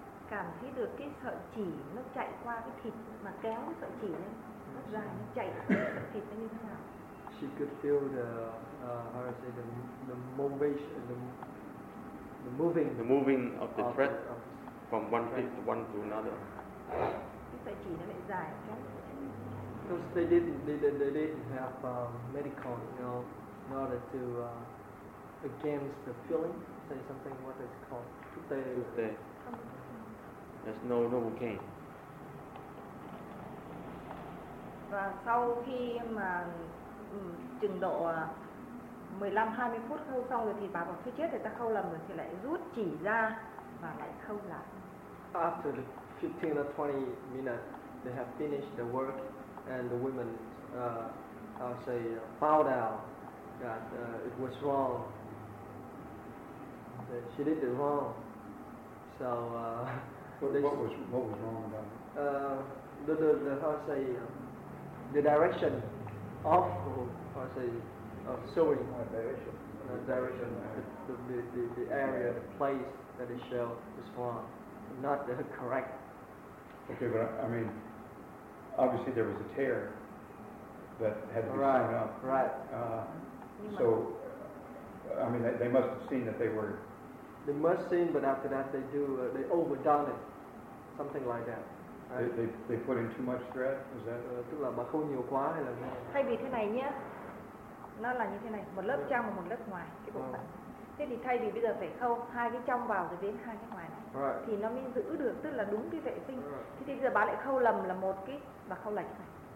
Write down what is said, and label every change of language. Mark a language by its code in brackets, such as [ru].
[vi] Cảm thấy được cái sợi chỉ nó chạy qua cái thịt, mà kéo cái sợi chỉ lên, nó dài, nó chạy thịt nó như thế nào. [en] she could feel the how to say the motivation, the moving. The moving of the thread from one thread to one to another. Because they didn't have medical, you know, in order to against the feeling, say something, what is called today. There's no cane. [vi] Và sau khi mà chừng độ 15-20 phút khâu xong rồi thì bà bảo chưa chết, thì ta khâu lầm rồi thì lại rút chỉ ra và lại khâu lại. [en] After 15 or 20 minutes, they have finished the work and the women, I'll say, found out that it was wrong. That she did it wrong. So, what was wrong about it? The direction of, how to say, of sewing. The direction. The area, the place that it showed was wrong. Not the correct. Okay, but I mean, obviously there was a tear that had to be sewn up. Right. So, I mean, they must have seen that they were. They must have seen, but after that they do, they overdone it. Something like that. They put in too much thread, is that? [vi] Tức là bà khâu nhiều quá hay là thay vì thế này nhé, nó là như thế này, một lớp trong và một lớp ngoài cái bộ phận. Thế thì thay vì bây giờ phải khâu hai cái trong vào rồi đến hai cái ngoài này, [en] right, [vi] thì nó mới giữ được, tức là đúng cái vệ sinh. [en] Right. [vi] Thế thì giờ bà lại khâu lầm là một cái và khâu lệch này.